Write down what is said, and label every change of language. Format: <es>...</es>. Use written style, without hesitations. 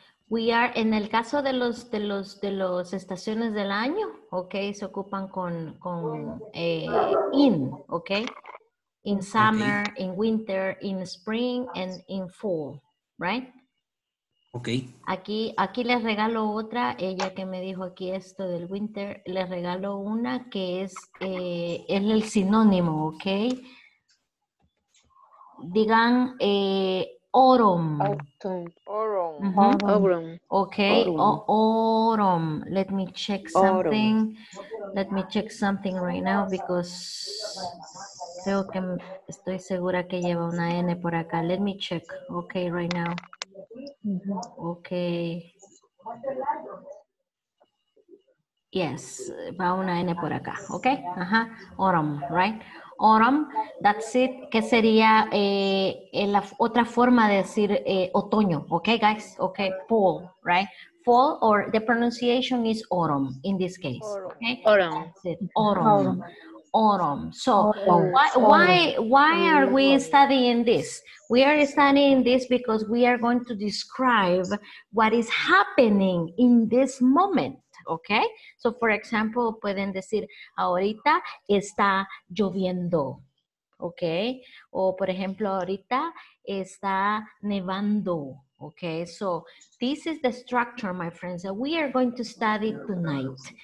<en>We are,</en> <es>en el caso de los estaciones del año, okay, se ocupan con in, okay?</es> <en>In summer, okay. In winter, in spring, and in fall, right? Okay.</en> <es>Aquí les regalo otra, ella que me dijo aquí esto del winter, les regalo una que es el sinónimo, okay? Digan, autumn.</es> <en>Let me check something right now because</en> <es>creo que estoy segura que lleva una N por acá.</es> <en>Let me check. Okay, right now. Okay.</en> <es>Yes, va una N por acá. Okay, ajá. Autumn, right?</es> <en>Autumn, that's it.</en> <es>¿Qué sería la otra forma de decir otoño?</es> <en>Okay, guys. Okay, fall, right? Fall, or the pronunciation is autumn in this case. Autumn. So why are we studying this? We are studying this because we are going to describe what is happening in this moment.</en> <es>Okay,</es> <en>so for example,</en> <es>pueden decir, ahorita está lloviendo, okay? O por ejemplo, ahorita está nevando, okay?</es> <en>So this is the structure, my friends, that we are going to study tonight.</en>